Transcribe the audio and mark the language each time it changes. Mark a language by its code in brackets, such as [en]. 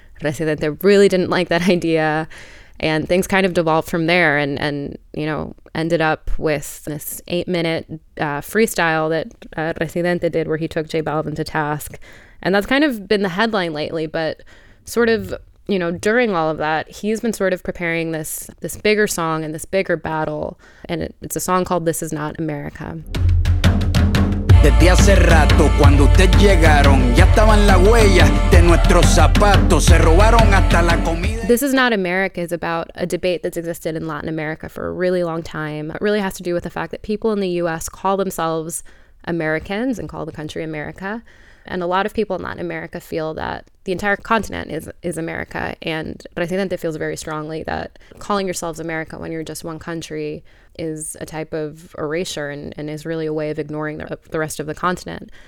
[en] Residente really didn't like that idea. And things kind of devolved from there and you know, ended up with this 8-minute freestyle that Residente did where he took J Balvin to task. And that's kind of been the headline lately. But sort of, you know, during all of that, he's been sort of preparing this bigger song and this bigger battle. And it's a song called This Is Not America. [es] Desde hace rato, cuando ustedes llegaron, ya estaban las huellas de nuestros zapatos, se robaron hasta la comida. [en] This Is Not America is about a debate that's existed in Latin America for a really long time. It really has to do with the fact that people in the U.S. call themselves Americans and call the country America. And a lot of people in Latin America feel that the entire continent is America. And Residente feels very strongly that calling yourselves America when you're just one country is a type of erasure and is really a way of ignoring the rest of the continent.